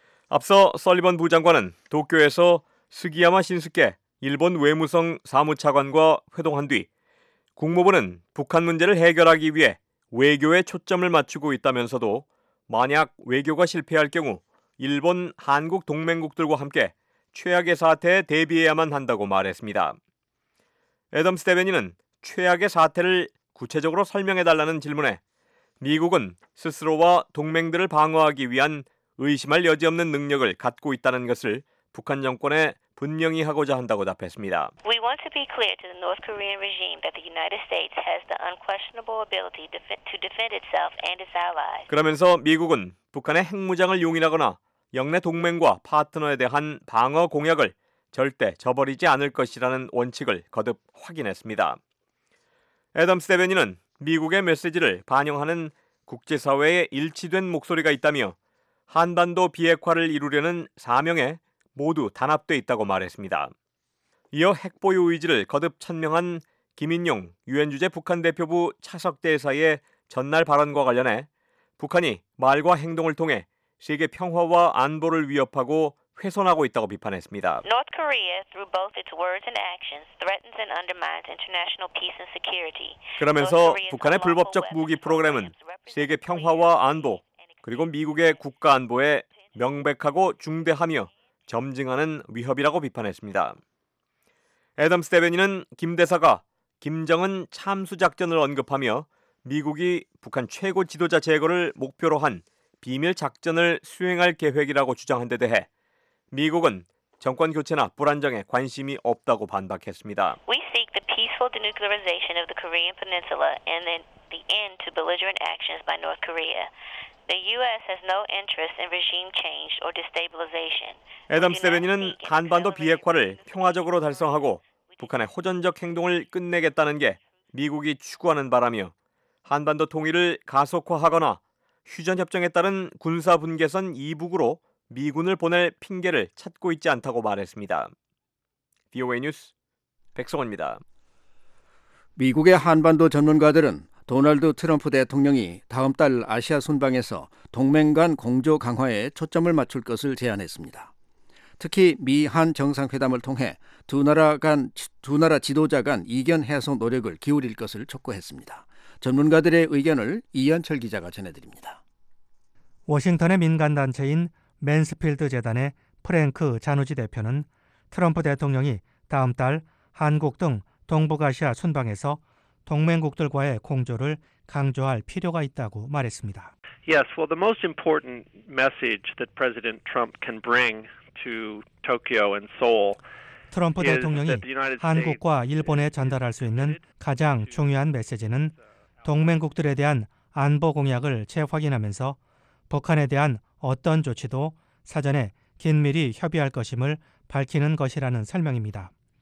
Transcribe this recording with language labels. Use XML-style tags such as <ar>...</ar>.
<ko>앞서 설리번 부장관은 도쿄에서 스기야마 신스케 일본 외무성 사무차관과 회동한 뒤 국무부는 북한 문제를 해결하기 위해 외교에 초점을 맞추고 있다면서도 만약 외교가 실패할 경우 일본, 한국 동맹국들과 함께 최악의 사태에 대비해야만 한다고 말했습니다. 애덤스 대변인은 최악의 사태를 구체적으로 설명해달라는 질문에 미국은 스스로와 동맹들을 방어하기 위한 의심할 여지 없는 능력을 갖고 있다는 것을 북한 정권에 분명히 하고자 한다고 답했습니다.</ko> <en>We want to be clear to the North Korean regime that the United States has the unquestionable ability to defend itself and its allies.</en> <ko>그러면서 미국은 북한의 핵무장을 용인하거나 영내 동맹과 파트너에 대한 방어 공약을 절대 저버리지 않을 것이라는 원칙을 거듭 확인했습니다. 애덤스 대변인은 미국의 메시지를 반영하는 국제사회에 일치된 목소리가 있다며 한반도 비핵화를 이루려는 4명에 모두 단합돼 있다고 말했습니다. 이어 핵보유 의지를 거듭 천명한 김인용 유엔주재 북한 대표부 차석대사의 전날 발언과 관련해 북한이 말과 행동을 통해 세계 평화와 안보를 위협하고 훼손하고 있다고 비판했습니다.</ko> <en>North Korea, through both its words and actions, threatens and undermines international peace and security.</en> <ko>그러면서 북한의 불법적 무기 프로그램은 세계 평화와 안보 그리고 미국의 국가 안보에 명백하고 중대하며 점증하는 위협이라고 비판했습니다. 애덤스 대변인은 김 대사가 김정은 참수 작전을 언급하며 미국이 북한 최고 지도자 제거를 목표로 한 비밀 작전을 수행할 계획이라고 주장한 데 대해 미국은 정권 교체나 불안정에 관심이 없다고 반박했습니다.</ko> <en>We seek the peaceful denuclearization of the Korean Peninsula and the end to belligerent actions by North Korea. The U.S. has no interest in regime change or destabilization.</en> <ko>애덤스 대변인은 한반도 비핵화를 평화적으로 달성하고 북한의 호전적 행동을 끝내겠다는 게 미국이 추구하는 바라며 한반도 통일을 가속화하거나 휴전협정에 따른 군사분계선 이북으로 미군을 보낼 핑계를 찾고 있지 않다고 말했습니다. VOA 뉴스 백성원입니다. 미국의 한반도 전문가들은 도널드 트럼프 대통령이 다음 달 아시아 순방에서 동맹 간 공조 강화에 초점을 맞출 것을 제안했습니다. 특히 미한 정상회담을 통해 두 나라 지도자 간 이견 해소 노력을 기울일 것을 촉구했습니다. 전문가들의 의견을 이현철 기자가 전해드립니다. 워싱턴의 민간단체인 맨스필드 재단의 프랭크 자누지 대표는 트럼프 대통령이 다음 달 한국 등 동북아시아 순방에서 동맹국들과의 공조를 강조할 필요가 있다고 말했습니다.</ko> <en>Yes, well, the most important message that President Trump can bring to Tokyo and Seoul.</en> <ko>트럼프 대통령이 한국과 일본에 전달할 수 있는 가장 중요한 메시지는 동맹국들에 대한 안보 공약을 재확인하면서 북한에 대한 어떤 조치도 사전에 긴밀히 협의할 것임을 밝히는 것이라는 설명입니다.</ko>